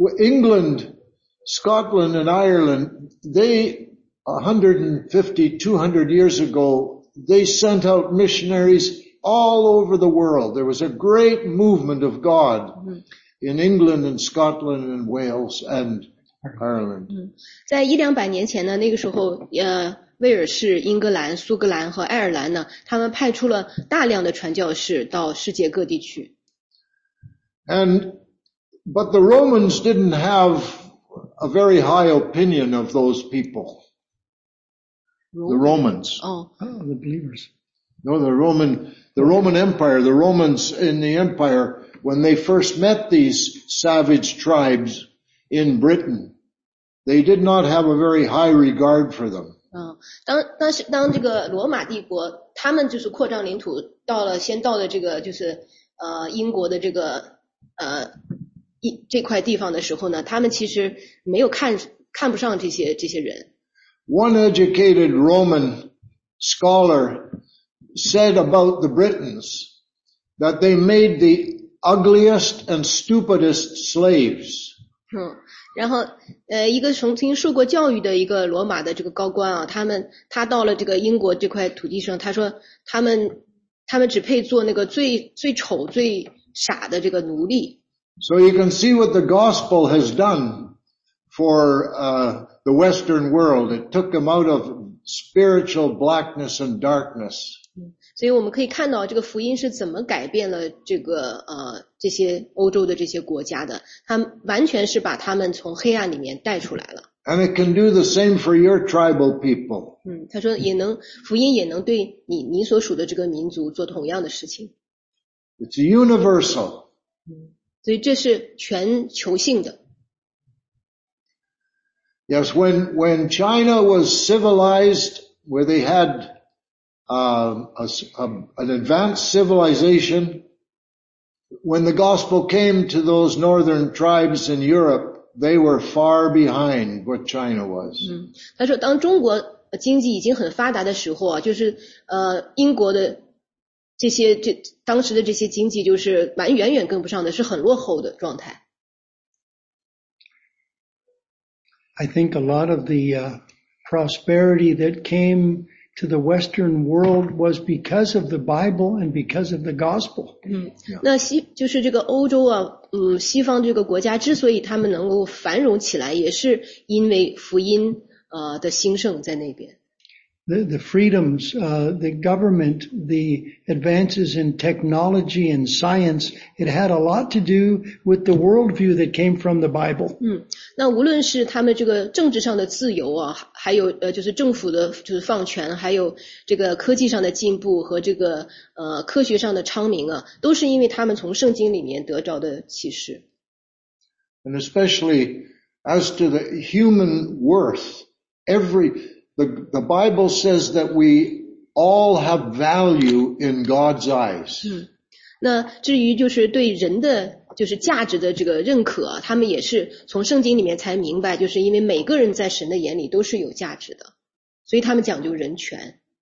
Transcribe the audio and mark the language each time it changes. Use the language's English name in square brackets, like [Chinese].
[English] England, Scotland and Ireland, they 150, 200 years ago, they sent out missionaries all over the world. There was a great movement of God. In England and Scotland and Wales and Ireland. [Chinese] 在一两百年前呢，那个时候，威尔士、英格兰、苏格兰和爱尔兰呢，他们派出了大量的传教士到世界各地去。 [English] But the Romans didn't have a very high opinion of those people. The Romans. The believers. No, the Roman Empire, the Romans in the Empire, when they first met these savage tribes in Britain, they did not have a very high regard for them. [Chinese] 当这个罗马帝国他们就是扩张领土到了先到了这个就是英国的这个这块地方的时候呢，他们其实没有看不上这些人。 [English] One educated Roman scholar said about the Britons that they made the ugliest and stupidest slaves. [Chinese] 然后一个曾经受过教育的一个罗马的这个高官啊，他到了这个英国这块土地上，他说他们只配做那个最丑最傻的这个奴隶。 [English] So you can see what the gospel has done for the Western world. It took them out of spiritual blackness and darkness. [Chinese] 所以我们可以看到这个福音是怎么改变了这个这些欧洲的这些国家的，它完全是把他们从黑暗里面带出来了。 [English] And it can do the same for your tribal people. [Chinese] 他说也能，福音也能对你所属的这个民族做同样的事情。 [English] It's universal. [Chinese] 所以这是全球性的。 [English] Yes, when China was civilized, where they had an advanced civilization, when the gospel came to those northern tribes in Europe, they were far behind what China was. [Chinese] 他说当中国经济已经很发达的时候，就是英国的这些当时的这些经济就是蛮远远跟不上的，是很落后的状态。 [English] I think a lot of the prosperity that came to the Western world was because of the Bible and because of the gospel. [Chinese] 那就是这个欧洲啊，西方这个国家之所以他们能够繁荣起来，也是因为福音的兴盛在那边。 [English] The freedoms, the government, the advances in technology and science, it had a lot to do with the worldview that came from the Bible. [Chinese] 那无论是他们这个政治上的自由啊，还有就是政府的就是放权，还有这个科技上的进步和这个科学上的昌明啊，都是因为他们从圣经里面得着的启示。 [English] And especially as to the human worth, the Bible says that we all have value in God's eyes. [Chinese] 那至于就是对人的就是价值的这个认可，他们也是从圣经里面才明白，就是因为每个人在神的眼里都是有价值的，所以他们讲究人权。